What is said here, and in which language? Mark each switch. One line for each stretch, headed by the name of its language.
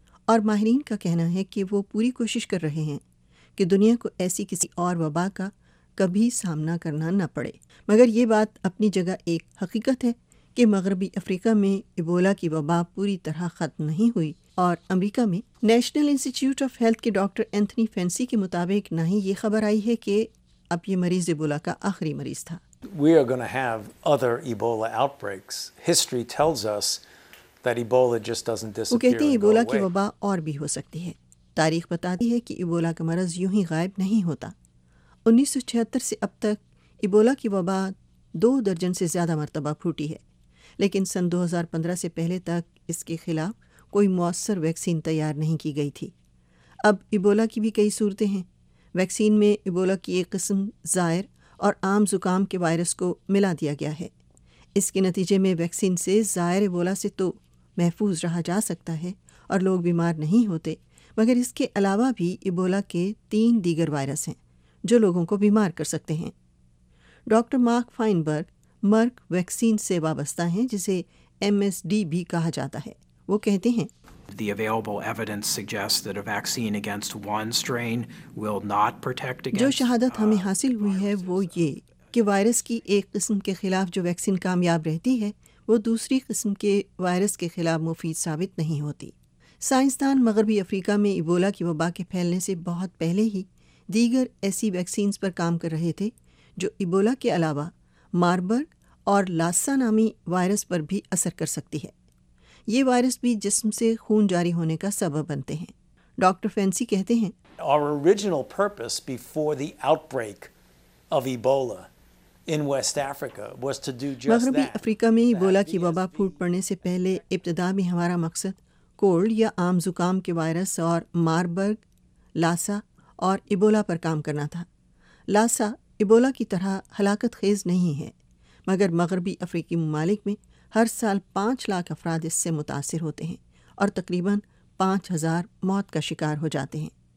Urdu: اور ماہرین کا کہنا ہے کہ وہ پوری کوشش کر رہے ہیں کہ دنیا کو ایسی کسی اور وبا کا کبھی سامنا کرنا نہ پڑے۔ مگر یہ بات اپنی جگہ ایک حقیقت ہے کہ مغربی افریقہ میں ایبولا کی وبا پوری طرح ختم نہیں ہوئی، اور امریکہ میں نیشنل انسٹیٹیوٹ آف ہیلتھ کے ڈاکٹر اینتھنی فینسی کے مطابق نہ ہی یہ خبر آئی ہے کہ اب یہ مریض ایبولا کا آخری مریض تھا۔
English: We are going to have other Ebola outbreaks. History tells us that Ebola just doesn't disappear.
Urdu: وہ کہتے ہیں ایبولا کی وبا اور بھی ہو سکتی ہے۔ تاریخ بتاتی ہے کہ ایبولا کا مرض یوں ہی غائب نہیں ہوتا۔ 1976 سے اب تک ایبولا کی وبا 2 درجن سے زیادہ مرتبہ پھوٹی ہے، لیکن سن 2015 سے پہلے تک اس کے خلاف کوئی مؤثر ویکسین تیار نہیں کی گئی تھی۔ اب ایبولا کی بھی کئی صورتیں ہیں. ویکسین میں ایبولا کی ایک قسم زائر اور عام زکام کے وائرس کو ملا دیا گیا ہے. اس کے نتیجے میں ویکسین سے زائر ایبولا سے تو محفوظ رہا جا سکتا ہے اور لوگ بیمار نہیں ہوتے, مگر اس کے علاوہ بھی ایبولا کے تین دیگر وائرس ہیں جو لوگوں کو بیمار کر سکتے ہیں. ڈاکٹر مارک فائنبرگ مرک ویکسین سے وابستہ ہیں جسے ایم ایس ڈی بھی کہا جاتا ہے. وہ کہتے ہیں
English: The available evidence suggests that a vaccine against one strain will not protect against
Urdu: جو شہادت ہمیں حاصل ہوئی ہے وہ یہ کہ وائرس کی ایک قسم کے خلاف جو ویکسین کامیاب رہتی ہے وہ دوسری قسم کے وائرس کے خلاف مفید ثابت نہیں ہوتی. سائنسدان مغربی افریقہ میں ایبولا کی وبا کے پھیلنے سے بہت پہلے ہی دیگر ایسی ویکسینز پر کام کر رہے تھے جو ایبولا کے علاوہ ماربرگ اور لاسا نامی وائرس پر بھی اثر کر سکتی ہے. یہ وائرس بھی جسم سے خون جاری ہونے کا سبب بنتے ہیں. ڈاکٹر فینسی کہتے ہیں
English: Our original purpose before the outbreak of Ebola in West Africa was to do just that.
Urdu: مغربی افریقہ میں ایبولا کی وبا پھوٹ پڑنے سے پہلے ابتدا میں ہمارا مقصد کولڈ یا عام زکام کے وائرس اور ماربرگ لاسا اور ایبولا پر کام کرنا تھا. لاسا ایبولا کی طرح ہلاکت خیز نہیں ہے, مگر مغربی افریقی ممالک میں ہر سال 500,000 افراد اس سے متاثر ہوتے ہیں اور تقریباً 5,000 موت کا شکار ہو جاتے ہیں.